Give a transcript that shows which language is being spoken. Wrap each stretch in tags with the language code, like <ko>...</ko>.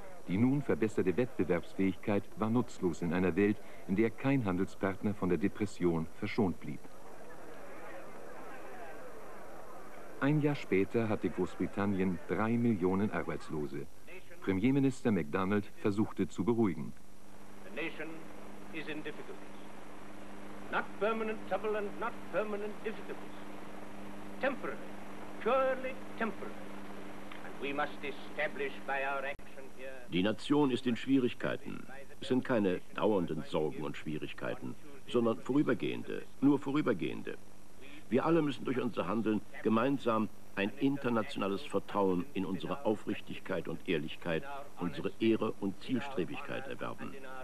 <de>Die nun verbesserte Wettbewerbsfähigkeit war nutzlos in einer Welt, in der kein Handelspartner von der Depression verschont blieb. Ein Jahr später hatte Großbritannien 3 Millionen Arbeitslose. Premierminister MacDonald versuchte zu beruhigen.</de> <en>Nation is in difficulties. Not permanent trouble and not permanent difficulties. Temporary, purely temporary. And we must establish by our action here.</en> <de>Die Nation ist in Schwierigkeiten. Es sind keine dauernden Sorgen und Schwierigkeiten, sondern vorübergehende, nur vorübergehende. Wir alle müssen durch unser Handeln gemeinsam ein internationales Vertrauen in unsere Aufrichtigkeit und Ehrlichkeit, unsere Ehre und Zielstrebigkeit erwerben.</de>